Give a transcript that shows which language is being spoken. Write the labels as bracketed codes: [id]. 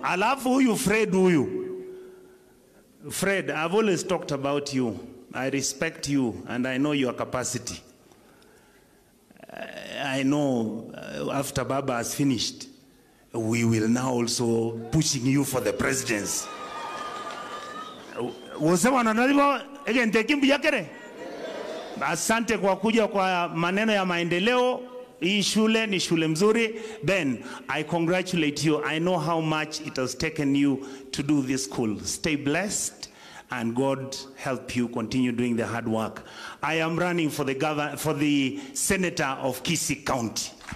[sw] Alafu huyu Fred huyu. [en] Fred, I've always talked about you. I respect you and I know your capacity. I know after Baba has finished, we will now also pushing you for the presidency. [sw] Wasema [en] no? Again, take him biyakere. [sw] Asante kwa kuja kwa maneno ya maendeleo. Hii shule ni shule mzuri. Ben, [en] I congratulate you. I know how much it has taken you to do this school. Stay blessed and God help you continue doing the hard work. I am running for the governor, for the senator of Kisii County.